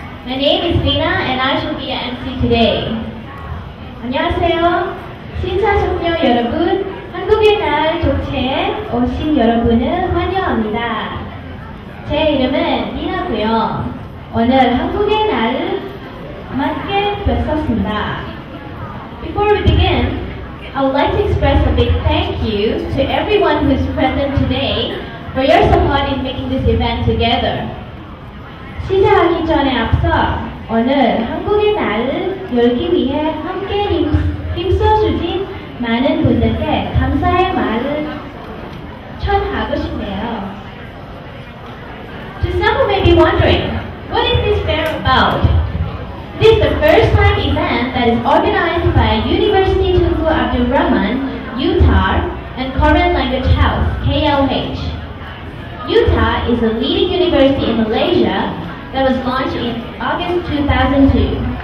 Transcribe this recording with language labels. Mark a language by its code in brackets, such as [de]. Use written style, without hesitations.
[en] My name is Lina and I shall be your MC today. [ko] 안녕하세요. 시청자 여러분, 한국의 날 족체에 오신 여러분을 환영합니다. 제 이름은 리나고요. 오늘 한국의 날을 맞게 뵀었습니다. [en] Before we begin, I would like to express a big thank you to everyone who is present today for your support in making this event together. [ko] 시작하기 전에 앞서 오늘 한국의 날을 열기 위해 함께 힘써주신 많은 분들께 감사의 말을 전하고 싶네요. [en] To some who may be wondering, what is this fair about? This is the first time event that is organized by University Tunku Abdul Rahman, UTAR, and Korean Language House, KLH. UTAR is a leading university in Malaysia that was launched in August 2002.